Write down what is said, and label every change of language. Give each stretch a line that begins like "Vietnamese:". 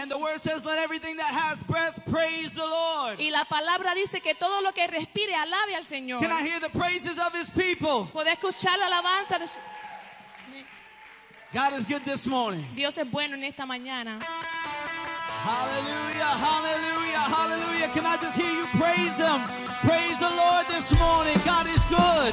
English: And the word says, let everything that has breath praise the Lord.
Spanish: Y la palabra dice que todo lo que respire alabe al Señor.
English: Can I hear the praises of His people?
Spanish: ¿Puedo escuchar la alabanza de su...
English: God is good this morning.
Spanish: Dios es bueno en esta mañana.
English: Hallelujah, hallelujah, hallelujah. Can I just hear you praise Him? Praise the Lord this morning. God is good.